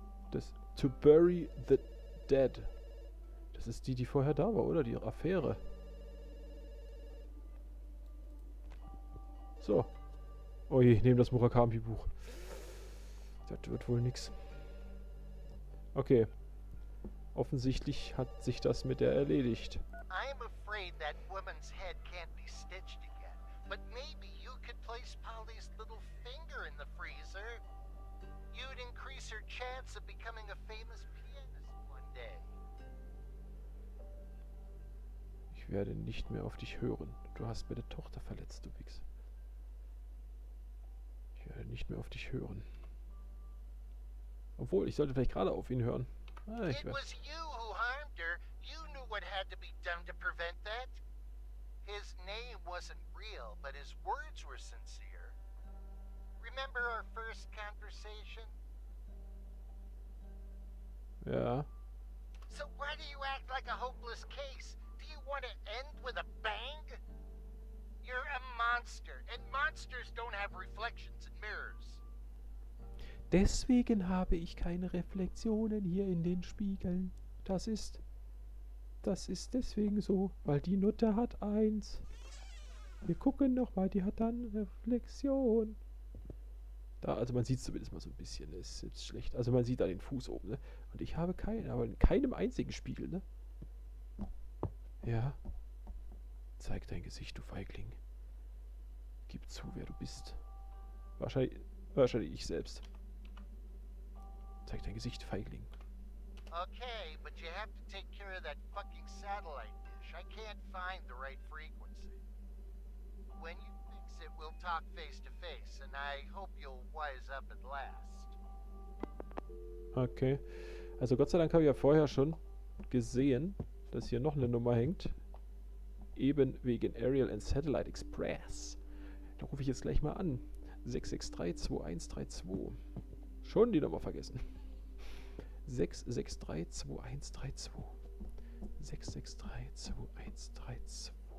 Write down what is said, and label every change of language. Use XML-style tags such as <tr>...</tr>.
<de>Das</de> <en>to bury the dead.</en> <de>Das ist die, die vorher da war, oder? Die Affäre. So. Oh je, ich nehme das Murakami-Buch. Das wird wohl nix. Okay. Offensichtlich hat sich das mit der erledigt.</de> <en>I'm afraid that woman's head can't be stitched again. But maybe you could place Polly's little finger in the freezer. You'd increase her chance of becoming a famous pianist one day.</en> <de>Ich werde nicht mehr auf dich hören. Du hast meine Tochter verletzt, du Wichs. Ich werde nicht mehr auf dich hören. Obwohl, ich sollte vielleicht gerade auf ihn hören.</de> <en>Ah, it was you who harmed her. You knew what had to be done to prevent that. His name wasn't real, but his words were sincere. Remember our first conversation? Yeah. So why do you act like a hopeless case? Do you want to end with a bang? You're a monster, and monsters don't have reflections in mirrors.</en> <de>Deswegen habe ich keine Reflexionen hier in den Spiegeln. Das ist deswegen so, weil die Nutte hat eins. Wir gucken nochmal, die hat dann Reflexion. Da, also man sieht es zumindest mal so ein bisschen, ist jetzt schlecht. Also man sieht da den Fuß oben, ne? Und ich habe keinen, aber in keinem einzigen Spiegel, ne? Ja. Zeig dein Gesicht, du Feigling. Gib zu, wer du bist. Wahrscheinlich ich selbst. Zeig dein Gesicht, Feigling.</de> <en>Okay, but you have to take care of that fucking satellite dish. I can't find the right frequency. When you fix it, we'll talk face to face, and I hope you'll wise up at last. Okay.</en> <de>Also Gott sei Dank habe ich ja vorher schon gesehen, dass hier noch eine Nummer hängt. Eben wegen Aerial and Satellite Express. Da rufe ich jetzt gleich mal an. 663-2132. Schon die Nummer vergessen. 663-2132.</de>